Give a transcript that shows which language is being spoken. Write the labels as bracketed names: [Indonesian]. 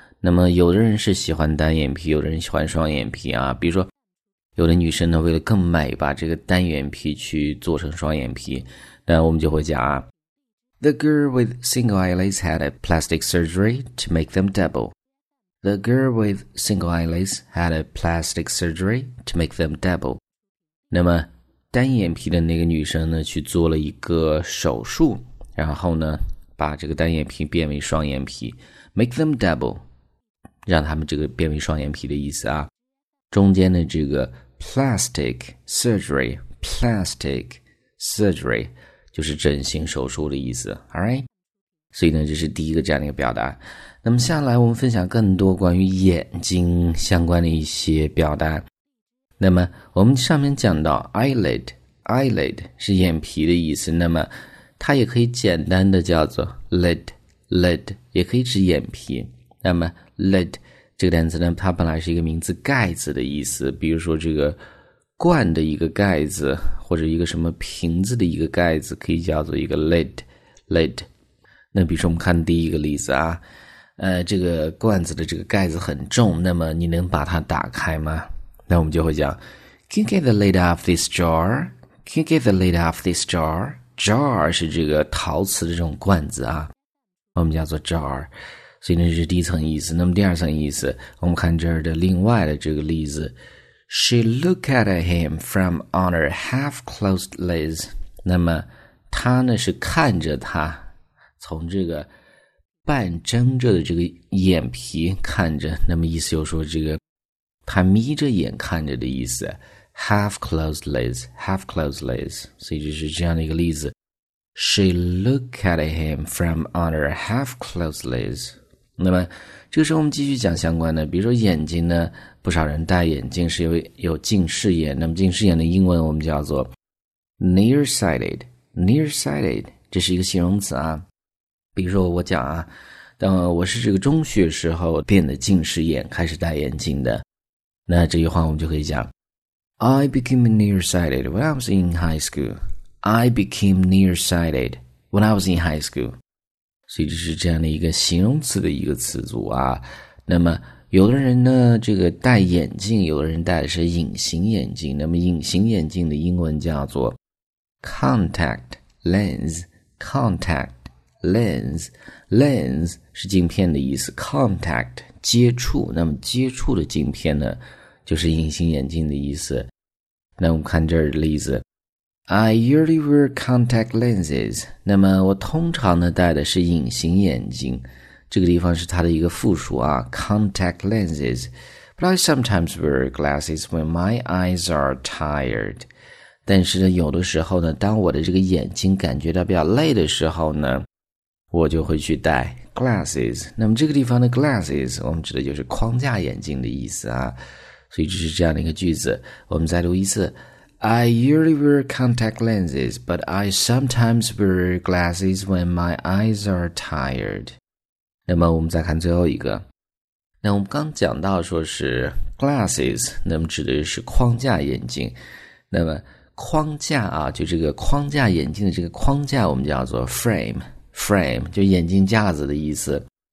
[Chinese] 那么有的人是喜欢单眼皮，有的人喜欢双眼皮啊。比如说有的女生呢，为了更美，把这个单眼皮去做成双眼皮，那我们就会讲啊 [English] The girl with single eyelids had a plastic surgery to make them double. The girl with single eyelids had a plastic surgery to make them double. [Chinese] 那么单眼皮的那个女生呢，去做了一个手术，然后呢把这个单眼皮变为双眼皮， [English] make them double， [Chinese] 让他们这个变为双眼皮的意思啊。中间的这个 plastic surgery， plastic surgery 就是整形手术的意思， alright。所以呢，这是第一个这样的一个表达。那么下来我们分享更多关于眼睛相关的一些表达。那么我们上面讲到 eyelid， eyelid 是眼皮的意思，那么它也可以简单的叫做 lid， lid 也可以指眼皮。那么 lid 这个单词呢，它本来是一个名字，盖子的意思，比如说这个罐的一个盖子，或者一个什么瓶子的一个盖子，可以叫做一个 lid， lid。那比如说我们看第一个例子啊，这个罐子的这个盖子很重，那么你能把它打开吗？那我们就会讲 [English] Can you get the lid off this jar? Can you get the lid off this jar? [Chinese] Jar 是这个陶瓷的这种罐子啊，我们叫做 jar。所以这是第一层意思。那么第二层意思，我们看这儿的另外的这个例子。 [English] She looked at him from on her half-closed lids. [Chinese] 那么她呢是看着他，从这个半睁着的这个眼皮看着。那么意思又说这个她眯着眼看着的意思。 [English] Half-closed lids, half-closed lids. [Chinese] 所以这是这样的一个例子。 [English] She looked at him from on her half-closed lids. [Chinese] 那么这个时候我们继续讲相关的，比如说眼睛呢，不少人戴眼镜是有近视眼，那么近视眼的英文我们叫做 nearsighted, nearsighted, 这是一个形容词啊。比如说我讲啊，当我是这个中学时候变得近视眼，开始戴眼镜的，那这句话我们就可以讲 [English] I became nearsighted when I was in high schoolI became nearsighted when I was in high school. [Chinese] 所以这是这样的一个形容词的一个词组啊。那么有的人呢，这个戴眼镜，有的人戴的是隐形眼镜。那么隐形眼镜的英文叫做 contact lens, contact lens, lens 是镜片的意思， contact 接触。那么接触的镜片呢，就是隐形眼镜的意思。那我们看这儿的例子。 [English] I usually wear contact lenses. [Chinese] 那么我通常呢戴的是隐形眼镜，这个地方是它的一个复数啊， contact lenses. [English] But I sometimes wear glasses when my eyes are tired. [Chinese] 但是呢，有的时候呢，当我的这个眼睛感觉到比较累的时候呢，我就会去戴 glasses. 那么这个地方的 glasses 我们指的就是框架眼镜的意思啊。所以这是这样的一个句子，我们再读一次。 [English] I usually wear contact lenses, but I sometimes wear glasses when my eyes are tired. [Chinese] 那么我们再看最后一个。那我们刚讲到说是 glasses, 那么指的是框架眼镜。那么框架啊，就这个框架眼镜的这个框架我们叫做 frame, frame, 就眼镜架子的意思。